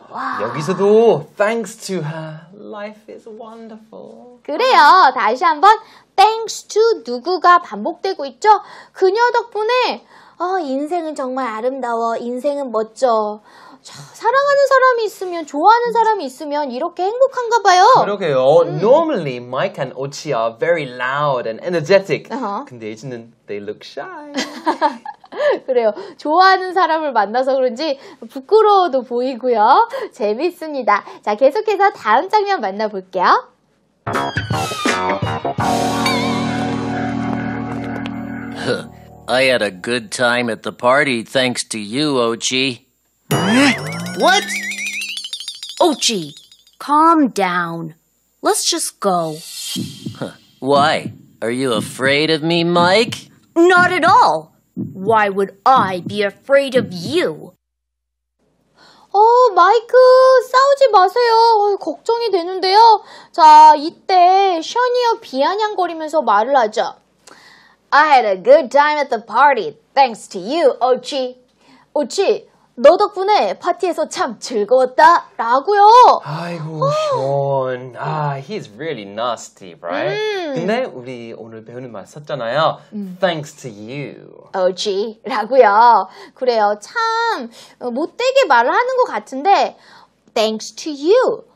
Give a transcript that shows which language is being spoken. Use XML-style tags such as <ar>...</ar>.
<en>와. 여기서도 thanks to her. Life is wonderful.</en> <ko>그래요. 다시 한번</ko> <en>thanks to</en> <ko>누구가 반복되고 있죠? 그녀 덕분에 인생은 정말 아름다워. 인생은 멋져. 자, 사랑하는 사람이 있으면, 좋아하는 사람이 있으면 이렇게 행복한가 봐요. 그러게요.</ko> <en>Normally, Mike and Ochi are very loud and energetic. Uh-huh.</en> <ko>근데 이제는</ko> <en>they look shy.</en> <ko>그래요. 좋아하는 사람을 만나서 그런지 부끄러워도 보이고요. 재밌습니다. 자, 계속해서 다음 장면 만나볼게요.</ko> <en>I had a good time at the party thanks to you, Ochi. What? Ochi, calm down. Let's just go. Why? Are you afraid of me, Mike? Not at all. Why would I be afraid of you?</en> <ko>마이크, 싸우지 마세요. 걱정이 되는데요. 자, 이때 션이요 비아냥거리면서 말을 하죠.</ko> <en>I had a good time at the party, thanks to you, Ochi.</en> <ko>Ochi, 너 덕분에 파티에서 참 즐거웠다, 라고요.</ko> <en>아이고, Sean. He's really nasty, right?</en> <ko>근데 우리 오늘 배우는 말 썼잖아요.</ko> <en>Thanks to you.</en> <ko>OG, 라고요. 그래요, 참 못되게 말을 하는 것 같은데</ko> <en>Thanks to you.</en>